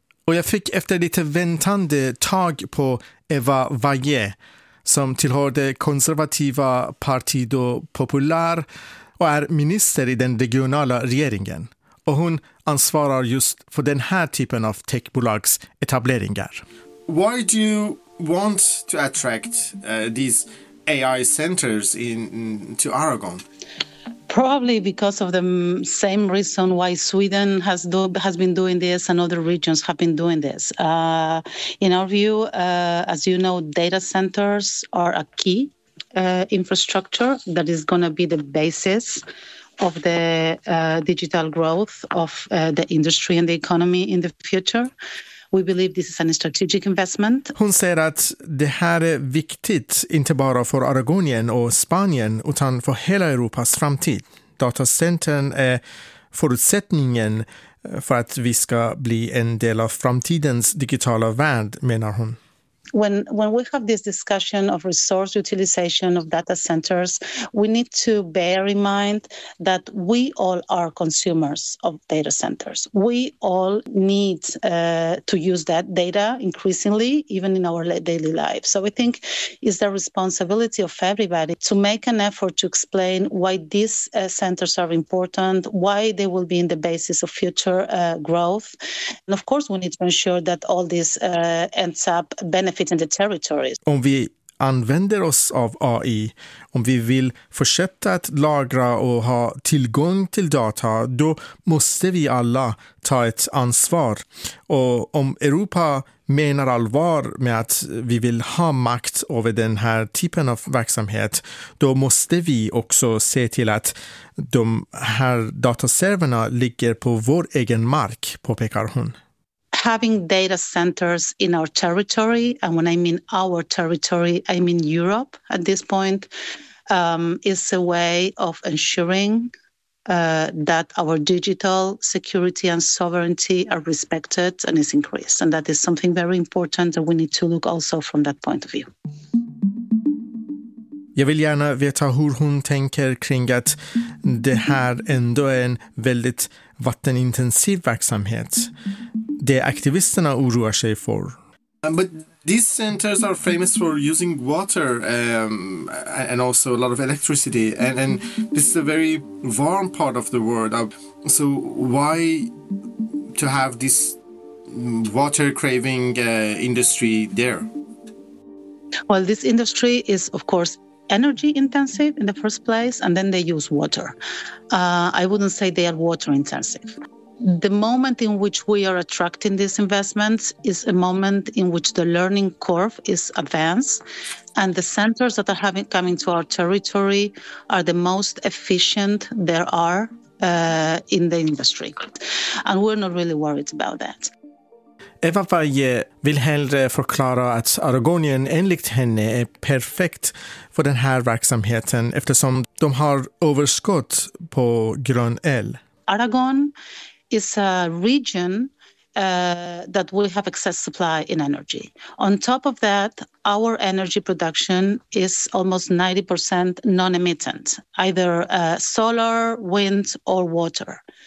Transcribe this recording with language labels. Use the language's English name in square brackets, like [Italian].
[Swedish] Och jag fick efter lite väntande tag på Eva Valle som tillhör det konservativa Partido Popular och är minister i den regionala regeringen. Och hon ansvarar just för den här typen av techbolags etableringar. [English] Why do you want to attract these AI centers to Aragon? Probably because of the same reason why Sweden has been doing this and other regions have been doing this. In our view, as you know, data centers are a key infrastructure that is going to be the basis of the digital growth of the industry and the economy in the future. We believe this is a strategic investment. [Swedish] Hon säger att det här är viktigt inte bara för Aragonien och Spanien utan för hela Europas framtid. Datacentern är förutsättningen för att vi ska bli en del av framtidens digitala värld, menar hon. [English] When we have this discussion of resource utilization of data centers, we need to bear in mind that we all are consumers of data centers. We all need to use that data increasingly, even in our daily life. So we think it's the responsibility of everybody to make an effort to explain why these centers are important, why they will be in the basis of future growth. And of course, we need to ensure that all this ends up benefiting. [Swedish] Om vi använder oss av AI, om vi vill fortsätta att lagra och ha tillgång till data, då måste vi alla ta ett ansvar. Och om Europa menar allvar med att vi vill ha makt över den här typen av verksamhet, då måste vi också se till att de här dataserverna ligger på vår egen mark, påpekar hon. [English] Having data centers in our territory, and when I mean our territory, I mean Europe at this point, is a way of ensuring that our digital security and sovereignty are respected and is increased. And that is something very important that we need to look also from that point of view. [Swedish] Jag vill gärna veta hur hon tänker kring att det här ändå är en väldigt vattenintensiv verksamhet. Det aktivisterna oroar sig för. [English] But these centers are famous for using water and also a lot of electricity. And this is a very warm part of the world. So why to have this water-craving industry there? Well, this industry is, of course, energy intensive in the first place, and then they use water. I wouldn't say they are water intensive. The moment in which we are attracting these investments is a moment in which the learning curve is advanced, and the centers that are coming to our territory are the most efficient there are in the industry. And we're not really worried about that. [Swedish] Eva Valle vill hellre förklara att Aragonien enligt henne är perfekt för den här verksamheten eftersom de har överskott på grön el. [English] Aragon is a region that we have excess supply in energy. On top of that, our energy production is almost 90% non-emittent, either solar, wind or water.